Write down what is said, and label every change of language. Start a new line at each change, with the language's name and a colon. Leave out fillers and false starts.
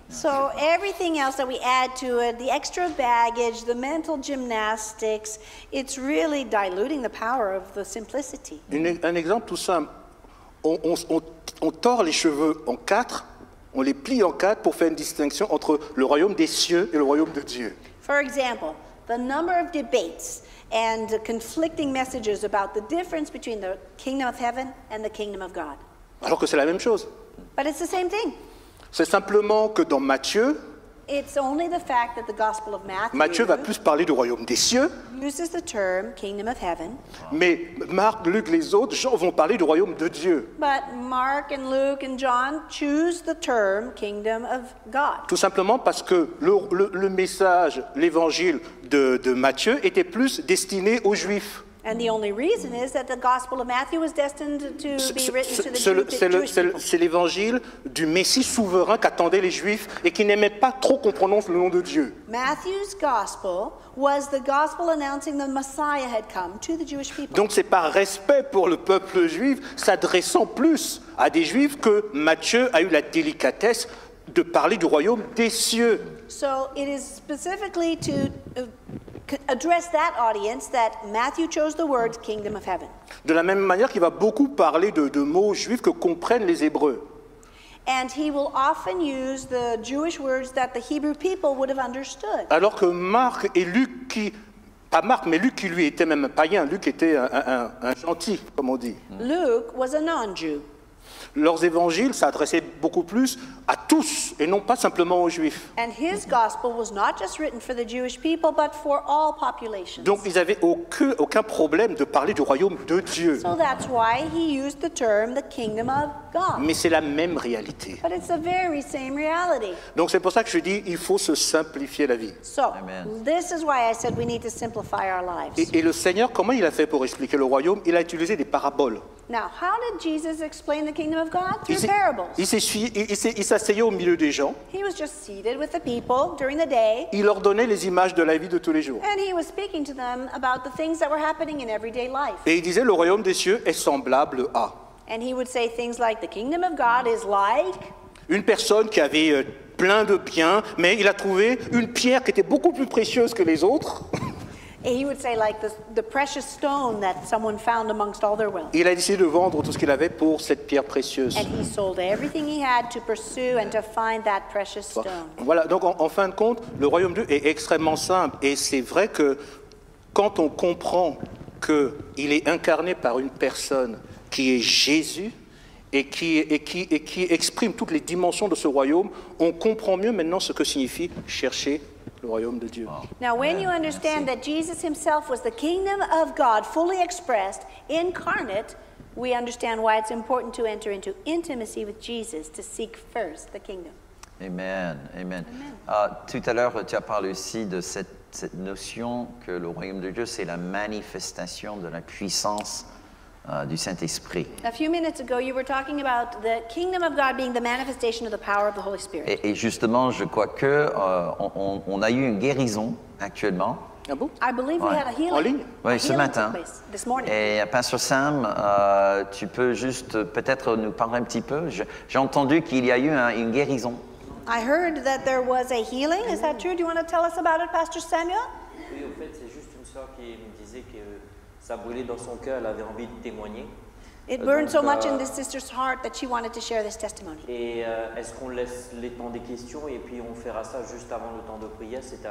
English: So everything else that we add to it, the extra baggage, the mental gymnastics, it's really diluting the power of the simplicity.
French: Un exemple tout simple, on tord les cheveux en quatre, on les plie en quatre pour faire une distinction entre le royaume des cieux et le royaume de Dieu.
English: For example, the number of debates and conflicting messages about the difference between the kingdom of heaven and the kingdom of God.
French: Alors que c'est la même chose.
English: But it's the same thing.
French: C'est simplement que dans Matthieu,
English: it's only the fact that the Gospel of Matthew,
French: Matthieu va plus parler du royaume des cieux,
English: uses the term kingdom of heaven.
French: Mais Marc, Luc, les autres gens vont parler du royaume de Dieu.
English: But Mark and Luke and John choose the term kingdom of God.
French: Tout simplement parce que le message, l'évangile de Matthieu était plus destiné aux Juifs.
English: And the only reason is that the Gospel of Matthew was destined to be written to the Jewish people.
French: C'est l'évangile du Messie souverain qu'attendaient les Juifs et qui n'aimaient pas trop qu'on prononce le nom de Dieu.
English: Matthew's Gospel was the Gospel announcing the Messiah had come to the Jewish people.
French: Donc c'est par respect pour le peuple juif s'adressant plus à des Juifs que Matthieu a eu la délicatesse de parler du royaume des cieux.
English: So it is specifically to address that audience that Matthew chose the words kingdom of heaven.
French: De la même manière qu'il va beaucoup parler de mots juifs que comprennent les Hébreux.
English: And he will often use the Jewish words that the Hebrew people would have understood.
French: Alors que Marc et Luc qui pas Marc mais Luc qui lui était même païen, Luc était un gentil comme on dit.
English: Luke was a non-Jew.
French: Leurs évangiles s'adressaient beaucoup plus à tous et non pas simplement aux Juifs.
English: And his gospel was not just written for the Jewish people but for all populations.
French: Donc ils avaient aucun problème de parler du royaume de Dieu.
English: So that's why he used the term the kingdom of God.
French: Mais c'est la même réalité.
English: But it's the very same reality.
French: Donc c'est pour ça que je dis il faut se simplifier la vie.
English: So, amen. This is why I said we need to simplify our lives.
French: Et le Seigneur comment il a fait pour expliquer le royaume? Il a utilisé des paraboles.
English: Now, how did Jesus explain the kingdom of God? Through parables.
French: Il s'asseyait au milieu des gens.
English: He was just seated with the people during the day.
French: Il leur donnait les images de la vie de tous les jours.
English: And he was speaking to them about the things that were happening in everyday life.
French: Et il disait, le royaume des cieux est semblable à.
English: And he would say things like, the kingdom of God is like.
French: Une personne qui avait plein de biens, mais il a trouvé une pierre qui était beaucoup plus précieuse que les autres.
English: And he would say like the precious stone that someone found amongst all their wealth.
French: Il a décidé de vendre tout ce qu'il avait pour cette pierre précieuse.
English: And he sold everything he had to pursue and to find that precious stone.
French: Voilà, donc en fin de compte, le royaume de Dieu est extrêmement simple et c'est vrai que quand on comprend que il est incarné par une personne qui est Jésus et qui exprime toutes les dimensions de ce royaume, on comprend mieux maintenant ce que signifie chercher le royaume de Dieu.
English: Now, when you understand that Jesus himself was the kingdom of God, fully expressed, incarnate, we understand why it's important to enter into intimacy with Jesus to seek first the kingdom. Amen, amen. Amen.
French: Tout à l'heure, tu as parlé aussi de cette notion que le royaume de Dieu, c'est la manifestation de la puissance du Saint-Esprit.
English: A few minutes ago, you were talking about the kingdom of God being the manifestation of the power of the Holy Spirit.
French: Et justement, je crois que on a eu une guérison actuellement. Ah bon?
English: I believe we had a healing.
French: En ligne? Oui, ce matin.
English: This morning.
French: Et Pastor Sam, tu peux juste peut-être nous parler un petit peu. J'ai entendu qu'il y a eu une guérison.
English: I heard that there was a healing. Is that true? Do you want to tell us about it, Pastor Samuel?
French: Oui, en fait, c'est juste une sœur qui me disait que ça brûlait dans son cœur, elle avait envie de témoigner.
English: It burned so much in this sister's heart that she wanted to share this testimony.
French: Et est-ce qu'on laisse les temps des questions et puis on fera ça juste avant le temps de prière?